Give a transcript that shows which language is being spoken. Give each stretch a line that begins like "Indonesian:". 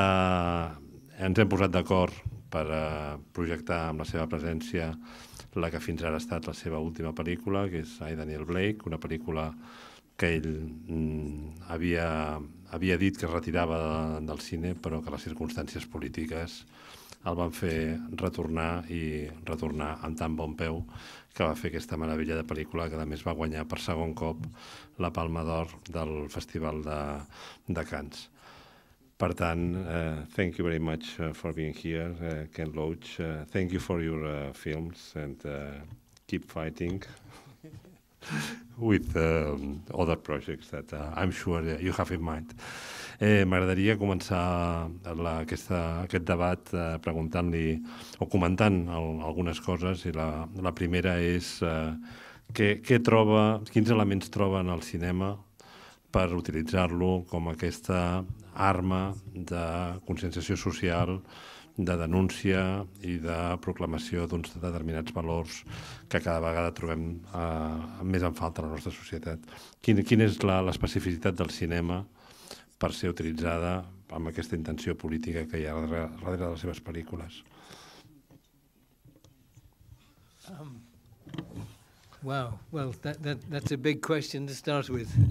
Catalan: Ens hem posat d'acord per projectar amb la seva presència la que fins ara ha estat la seva última pel·lícula, que és I, Daniel Blake, una pel·lícula que ell havia dit que es retirava del cine, però que les circumstàncies polítiques el van fer retornar, i retornar amb tan bon peu que va fer aquesta meravella de pel·lícula, que a més va guanyar per segon cop la Palma d'Or del Festival de Cannes. Per tant,
English: thank you very much for being here, Ken Loach. Thank you for your films, and keep fighting with other projects that I'm sure you have in mind.
Catalan: M'agradaria començar aquest debat preguntant-li o comentant algunes coses, i la primera és quins elements troba en el cinema per utilitzar-lo com aquesta arma de conscienciació social, de denúncia i de proclamació d'uns determinats valors que cada vegada trobem més en falta a la nostra societat. Quina és l'especificitat del cinema per ser utilitzada amb aquesta intenció política que hi ha darrere de les seves pel·lícules?
English: Wow, well, that's a big question to start with.